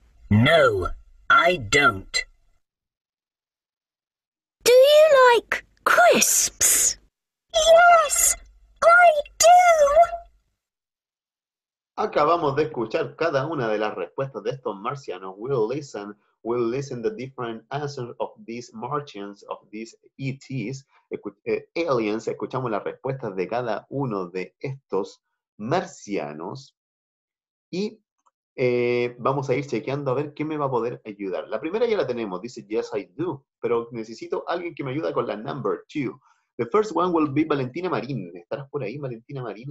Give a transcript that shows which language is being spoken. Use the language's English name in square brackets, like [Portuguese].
[English] No, I don't. Do you like crisps? Yes, I do. [Spanish] Acabamos de escuchar cada una de las respuestas de estos marcianos. [English] We'll listen the different answers of these Martians, of these ETs, aliens. [Spanish] Escuchamos las respuestas de cada uno de estos marcianos. Y vamos a ir chequeando a ver quién me va a poder ayudar. La primera ya la tenemos, dice, [English] yes, I do. [Spanish] Pero necesito alguien que me ayude con la [English] number two. The first one will be Valentina Marín. [Spanish] ¿Estarás por ahí, [English] Valentina Marín?